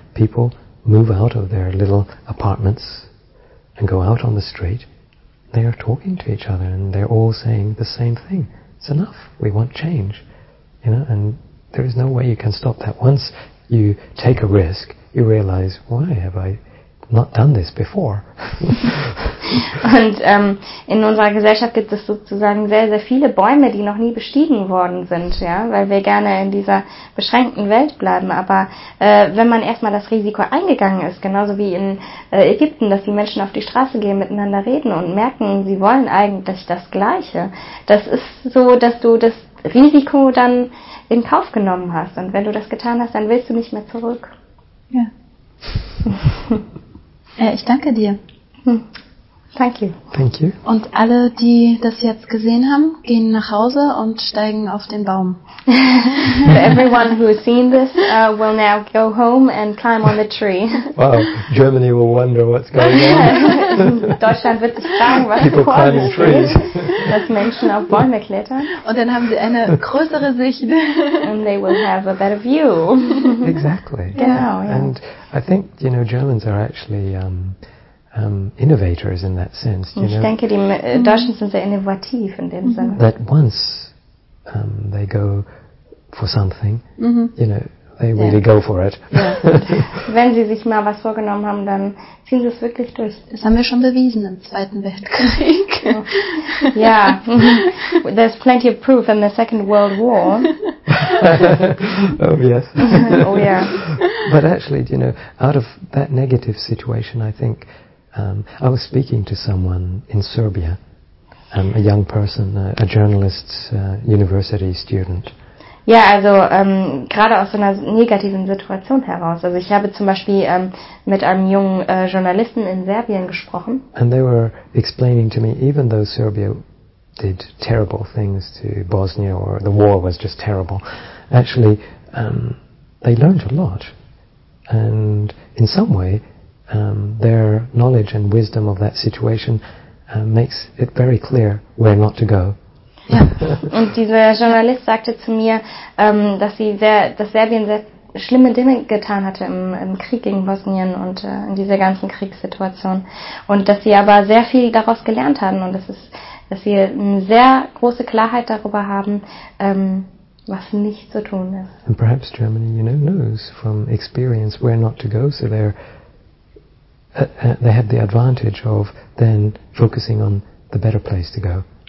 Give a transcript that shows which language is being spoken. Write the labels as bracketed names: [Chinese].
[English] People move out of their little apartments and go out on the street. They are talking to each other and they're all saying the same thing. It's enough. We want change. You know, and there is no way you can stop that. Once you take a risk, you realize, why have I not done this before? [German] Und in unserer Gesellschaft gibt es sozusagen sehr, sehr viele Bäume, die noch nie bestiegen worden sind, ja, weil wir gerne in dieser beschränkten Welt bleiben. Aber wenn man erstmal das Risiko eingegangen ist, genauso wie in Ägypten, dass die Menschen auf die Straße gehen, miteinander reden und merken, sie wollen eigentlich das Gleiche, das ist so, dass du das Risiko dann in Kauf genommen hast. Und wenn du das getan hast, dann willst du nicht mehr zurück. Ja. Ich danke dir. [English] Thank you. Thank you. [German] Und alle, die das jetzt gesehen haben, gehen nach Hause und steigen auf den Baum. [English] So everyone who has seen this will now go home and climb on the tree. Wow, Germany will wonder what's going on. [German] Deutschland wird sich fragen, was [English] people [German] vor [English] climbing [German] sich [English] trees. [German] Dass Menschen auf Bäume klettern. Und dann haben sie eine größere Sicht. [English] And they will have a better view. Exactly. [German] Genau, yeah. [English] And I think, you know, Germans are actually innovators in that sense. You [German] ich [English] know, [German] denke, die Deutschen sind sehr innovativ in dem Sinne. [English] That once they go for something, you know, they really go for it. Yeah. [German] Wenn sie sich mal was vorgenommen haben, dann ziehen sie es wirklich durch. Das haben wir schon bewiesen im Zweiten Weltkrieg. Ja, yeah. [English] There's plenty of proof in the Second World War. Oh yes. Oh yeah. But actually, you know, out of that negative situation, I think. I was speaking to someone in Serbia, a young person, a journalist, university student. [German] Ja, also gerade aus so einer negativen Situation heraus. Also ich habe zum Beispiel mit einem jungen Journalisten in Serbien gesprochen. [English] And they were explaining to me, even though Serbia did terrible things to Bosnia or the war was just terrible, actually they learned a lot. And in some way, their knowledge and wisdom of that situation makes it very clear where not to go. [German] Ja, und dieser Journalist sagte zu mir, dass Serbien sehr schlimme Dinge getan hatte im Krieg gegen Bosnien und in dieser ganzen Kriegssituation. Und dass sie aber sehr viel daraus gelernt haben und dass sie eine sehr große Klarheit darüber haben, was nicht zu tun ist. [English] And perhaps Germany, you know, knows from experience where not to go, so they're they had the advantage of then focusing on the better place to go.